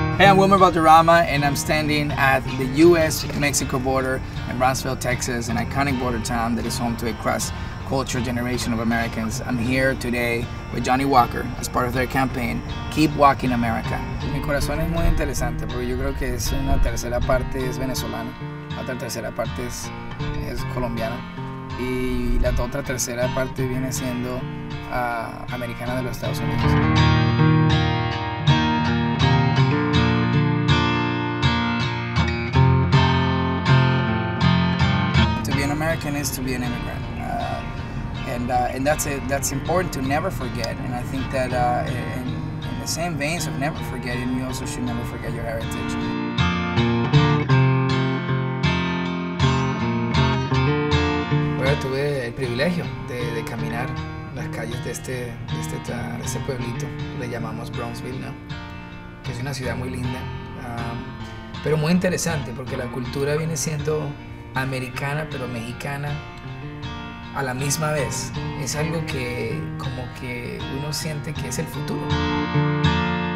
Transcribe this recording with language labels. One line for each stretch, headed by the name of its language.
English: I'm Wilmer Valderrama, and I'm standing at the U.S.-Mexico border in Brownsville, Texas, an iconic border town that is home to a cross-cultural generation of Americans. I'm here today with Johnnie Walker as part of their campaign, Keep Walking America.
Spanish: Mi corazón es muy interesante porque yo creo que es una tercera parte es venezolana, otra tercera parte es colombiana, y la otra tercera parte viene siendo americana de los Estados Unidos.
English: American is to be an immigrant, and that's it. That's important to never forget. And I think that in the same veins of never forgetting, you also should never forget your heritage.
Spanish: Bueno, tuve el privilegio de caminar las calles de este pueblito, le llamamos Brownsville, ¿no? Que es una ciudad muy linda, pero muy interesante porque la cultura viene siendo americana pero mexicana a la misma vez. Es algo que como que uno siente que es el futuro.